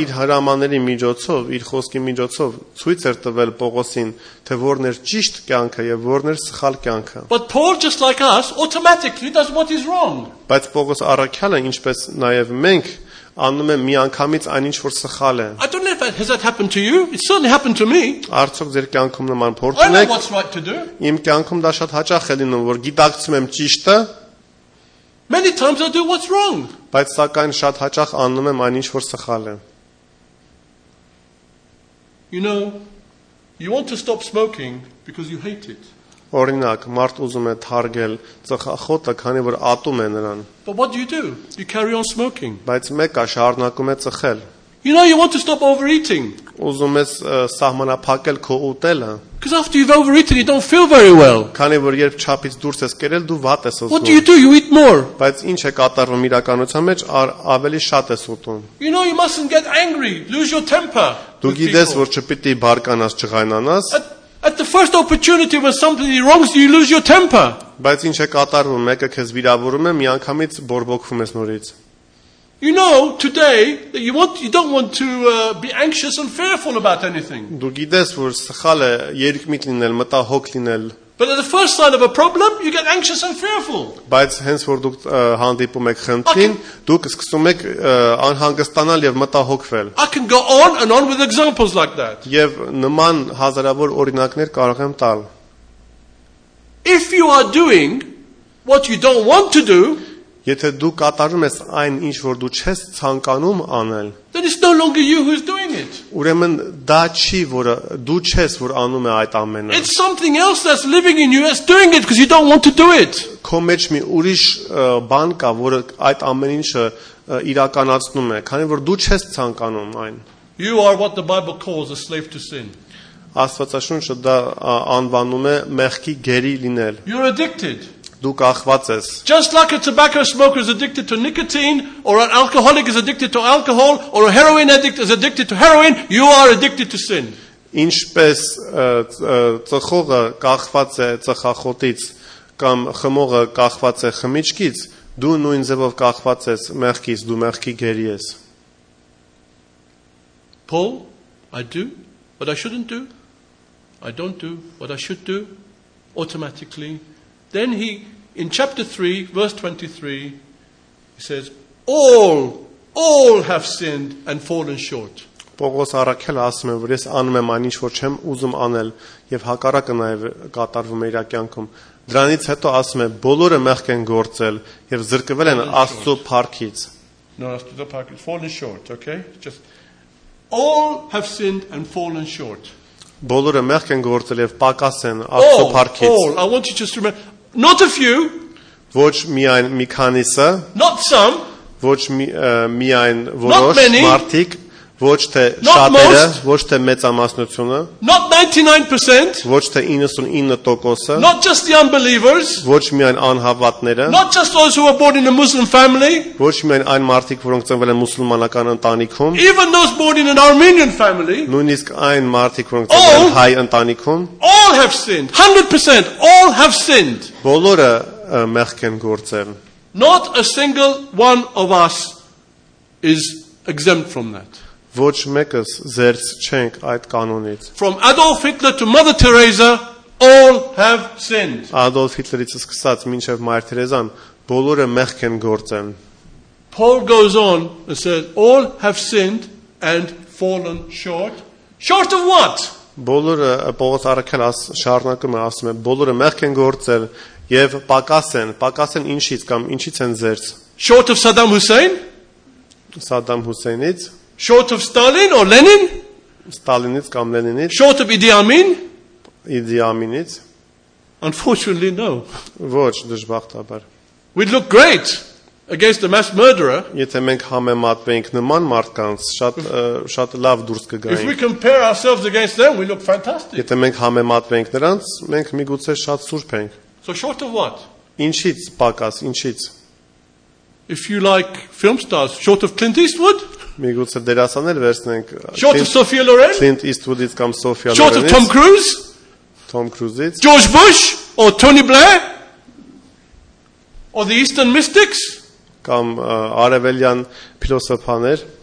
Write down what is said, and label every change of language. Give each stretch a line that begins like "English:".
Armenian: իր հրամանների միջոցով իր խոսքի միջոցով ցույց էր տվել Պողոսին թե որն էր ճիշտ կյանքը եւ որն էր սխալ կյանքը
English: But Paul just like us automatically does what is wrong
Armenian: Բայց Պողոս առաքյալը ինչպես նաեւ մենք անում են մի անգամից այնինչ որ սխալ է
English: I don't know if that has that happened to you it certainly happened to me
Armenian: Արդյոք ձեր կյանքում նման փորձ ունեք
English: What's right to do
Armenian: Իմ կյանքում դա շատ հաճախ է լինում որ գիտակցում եմ ճիշտը
English: Many times I do what's wrong.
Armenian: Բայց սակայն շատ հաճախ անում եմ այնինչ որ սխալ է.
English: You know, you want to stop smoking because you hate it.
Armenian: Օրինակ, մարդ ուզում է թարգել ծխախոտը, քանի որ ատում է նրան.
English: But what do? You carry on smoking.
Armenian: Բայց մեկ է շարունակում է ծխել.
English: You know you want to stop overeating.
Armenian: Ուզում ես սահմանափակել քո ուտելը։
English: Because after you've overeaten you don't feel very well.
Armenian: Քանի որ երբ չափից դուրս ես կերել դու վատ ես ասում։
English: What do? You eat more.
Armenian: Բայց ինչ է կատարվում իրականության մեջ ավելի շատ ես ուտում։
English: You know you mustn't get angry, lose your temper.
Armenian: Դու գիտես որ չպիտի բարկանաս, չղայնանաս։
English: At the first opportunity when somebody wrongs you, you lose your temper.
Armenian: բայց ինչ է կատարվում, մեկը քեզ վիրավորում է, միանգամից բորբոքվում ես նորից.
English: You know today that you want you don't want to be anxious and fearful about anything.
Armenian: Դու գիտես, որ սխալ է երկմիտ լինել, մտահոգ լինել.
English: But at the first sign of a problem, you get anxious and fearful.
Armenian: Բայց հենց որ դու հանդիպում ես խնդրին, դու կսկսում ես անհանգստանալ եւ մտահոգվել.
English: I can go on and on with examples like that.
Armenian: Եվ նման հազարավոր օրինակներ կարող եմ տալ.
English: If you are doing what you don't want to do,
Armenian: Եթե դու կատարում ես այն, ինչ որ դու չես ցանկանում անել,
English: then it's no longer you who's doing it.
Armenian: Ուրեմն դա չի, որ դու չես, որ անում է այդ ամենը.
English: It's something else that's living in you that's doing it because you don't want to do it.
Armenian: Քո մեջ մի ուրիշ բան կա, որը այդ ամեն ինչը իրականացնում է, քանի որ դու չես ցանկանում այն.
English: You are what the Bible calls a slave to sin.
Armenian: Աստվածաշունչը դա անվանում է մեղքի գերի լինել.
English: You're addicted.
Armenian: Դու կախված ես.
English: Just like a tobacco smoker is addicted to nicotine, or an alcoholic is addicted to alcohol, or a heroin addict is addicted to heroin, you are addicted to sin.
Armenian: Ինչպես ծխողը կախված է ծխախոտից, կամ խմողը կախված է խմիչքից, դու նույն ձևով կախված ես մեղքից, դու մեղքի գերի ես.
English: Paul, I do what I shouldn't do. I don't do what I should do automatically. Then he, in chapter 3, verse 23, he says, all have sinned and fallen short.
Armenian: Պողոս առաքելը ասում է, որ ես անում եմ այն, ինչ որ չեմ ուզում անել, եւ հակառակը նաեւ կատարվում է իր կյանքում. Դրանից հետո ասում է, բոլորը մեղք են գործել եւ զրկվել են Աստծո փառքից.
English: No,
Armenian: Աստծո փառքից,
English: fallen short, okay? Just all have sinned and fallen short.
Armenian: Բոլորը մեղք են գործել եւ պակաս են Աստծո փառքից.
English: All, I want you to just remember, not a few,
Armenian: ոչ միայն մի քանիսը,
English: not some,
Armenian: ոչ միայն որոշ մարդիկ, ոչ թե շատերը, ոչ թե մեծամասնությունը,
English: not 99%,
Armenian: ոչ թե 99%-ը,
English: not just the unbelievers,
Armenian: ոչ միայն անհավատները,
English: not just those who were born in a Muslim family,
Armenian: ոչ միայն այն մարդիկ, որոնք ծնվել են մուսուլմանական ընտանիքում,
English: even those born in an Armenian family,
Armenian: նույնիսկ այն մարդիկ, որոնք ծնվել են հայ ընտանիքում,
English: all have sinned, 100%, all have sinned,
Armenian: բոլորը մեղք են գործել,
English: not a single one of us is exempt from that.
Armenian: Ոչ մեկս զերծ չենք այդ կանոնից.
English: From Adolf Hitler to Mother Teresa, all have sinned.
Armenian: Adolf Hitler-ից սկսած մինչև Մայր Թերեզան, բոլորը մեղք են գործել.
English: Paul goes on and says, all have sinned and fallen short. Short of what?
Armenian: Բոլորը Պողոս առաքելը շարունակում է ասում է, բոլորը մեղք են գործել եւ պակաս են, պակաս են ինչից կամ ինչից են զերծ?
English: Short of Saddam Hussein?
Armenian: Սադդամ Հուսեյնից?
English: Short of Stalin or Lenin?
Armenian: Stalinից կամ Լենինից?
English: Short of Idi Amin?
Armenian: Idi Aminից?
English: Unfortunately no.
Armenian: Ոչ, դժբախտաբար.
English: We'd look great against a mass murderer.
Armenian: Եթե մենք համեմատվենք նման մարդկանց, շատ լավ դուրս կգայինք.
English: If we compare ourselves against them, we look fantastic.
Armenian: Եթե մենք համեմատվենք նրանց, մենք միգուցե շատ սուրբ ենք.
English: So short of what?
Armenian: Ինչից պակաս, ինչից?
English: If you like film stars, short of Clint Eastwood?
Armenian: Միգուցե դերասաններ վերցնենք.
English: Short of Sophia Loren?
Armenian: Clint Eastwood-ից կամ Sophia
English: Loren-ից? Short of Tom Cruise?
Armenian: Tom Cruise-ից?
English: George Bush or Tony Blair? Or the Eastern Mystics?
Armenian: Կամ արևելյան փիլոսոփաներ?